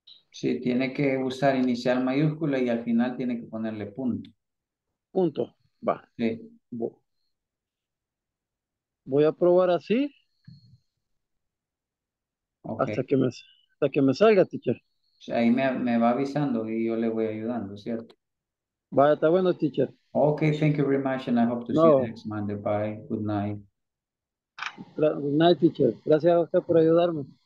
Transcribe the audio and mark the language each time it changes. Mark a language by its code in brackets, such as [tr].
[es] Sí, tiene que usar inicial mayúscula y al final tiene que ponerle punto. Punto, va. Sí. Voy a probar así. [en] Okay. [es] Hasta que me salga, teacher. Ahí me va avisando y yo le voy ayudando, ¿cierto? Vaya, está bueno, teacher. [en] Okay, thank you very much and I hope to see you next Monday. Bye, good night. [es] Good night, teacher. Gracias a usted por ayudarme.